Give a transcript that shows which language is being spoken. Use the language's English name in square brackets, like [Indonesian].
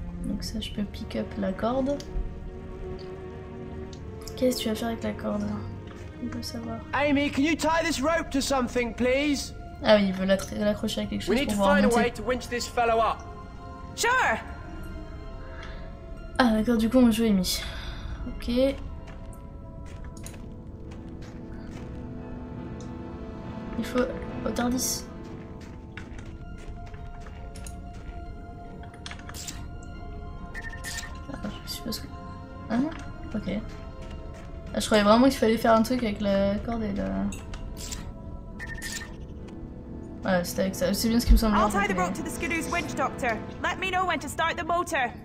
[French] Donc ça, je peux [English] pick up [French] la corde. Qu'est-ce que tu vas faire avec la corde? On peut savoir. [English] Amy, can you tie this rope to something, please? [French] Ah oui, il veut l'accrocher à quelque chose. [English] We need [French] pour [English] to find [French] remonter. [English] A way to winch this fellow up. Sure. [French] Ah d'accord, du coup on joue Amy. Ok. Il faut au TARDIS. Ah, je suppose que. Ah non. Ok. Ah, je croyais vraiment qu'il fallait faire un truc avec la corde et la. Ah, c'était avec ça. C'est bien ce qui me semble. [English] I'll tie the rope to the skidoo's winch, doctor. Let me know when to start the motor.